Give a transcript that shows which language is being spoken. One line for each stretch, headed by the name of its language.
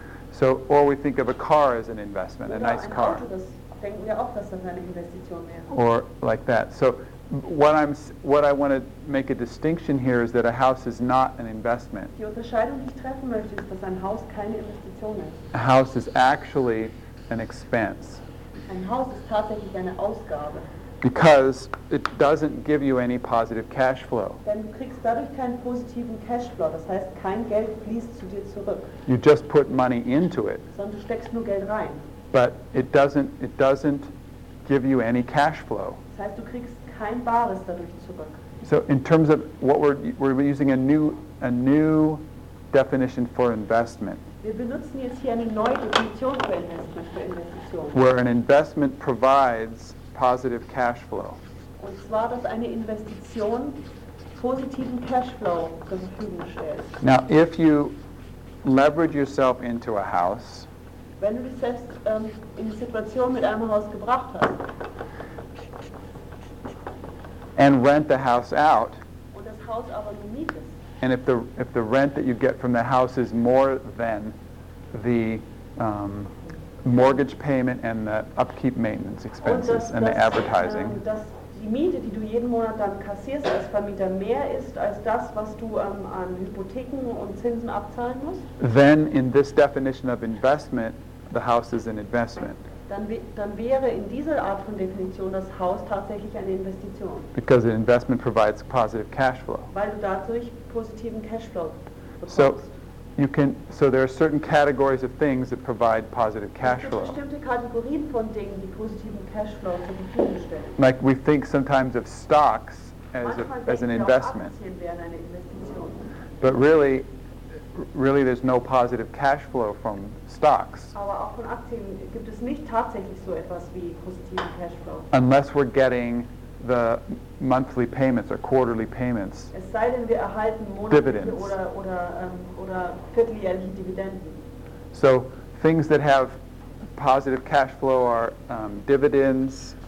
English: So, or we think of a car as an investment,
German: oder
English: a nice car.
German: Auto, das denken wir auch, dass das eine Investition wäre.
English: Or like that. So, what I want to make a distinction here is that a house is not an investment.
German: Die Unterscheidung, die ich treffen möchte, ist, dass ein Haus keine Investition ist.
English: A house is actually an expense.
German: Ein Haus ist tatsächlich eine Ausgabe.
English: Because it doesn't give you any positive cash flow.
German: Denn du kriegst dadurch keinen positiven Cashflow, das heißt, kein Geld fließt zu dir zurück.
English: You just put money into it.
German: Sondern du steckst nur Geld rein.
English: But it doesn't give you any cash flow.
German: Das heißt, du kriegst kein Bares dadurch zurück.
English: So in terms of what we're using a new definition for investment.
German: Wir benutzen jetzt hier eine neue Definition für Investition.
English: Where an investment provides positive cash flow.
German: Und zwar, dass eine Investition positiven Cashflow zur Verfügung stellt.
English: Now, if you leverage yourself into a house,
German: wenn du dich selbst in die Situation mit einem Haus gebracht hast,
English: and rent the house out,
German: und das Haus aber nur mietest,
English: and if the rent that you get from the house is more than the mortgage payment and the upkeep maintenance expenses
German: und das,
English: and the advertising,
German: dass die Miete, die du jeden Monat dann kassierst als Vermieter, mehr ist als das, was du an Hypotheken und Zinsen abzahlen musst,
English: then in this definition of investment, the house is an investment.
German: Dann wäre in dieser Art von Definition das Haus tatsächlich eine Investition.
English: Because an investment provides positive cash flow.
German: Weil du dadurch positiven Cashflow bekommst.
English: So there are certain categories of things that provide positive cash flow.
German: Es gibt bestimmte Kategorien von Dingen, die positiven Cashflow zur Verfügung stellen.
English: Like we think sometimes of stocks as an investment.
German: Manchmal denken wir auch Aktien wären eine Investition.
English: But really there's no positive cash flow from stocks.
German: Aber auch von Aktien gibt es nicht tatsächlich so etwas wie positiven Cashflow.
English: Unless we're getting the monthly payments or quarterly payments.
German: Es sei denn, wir erhalten monatliche
English: dividends.
German: oder vierteljährliche Dividenden.
English: So things that have positive cash flow are dividends.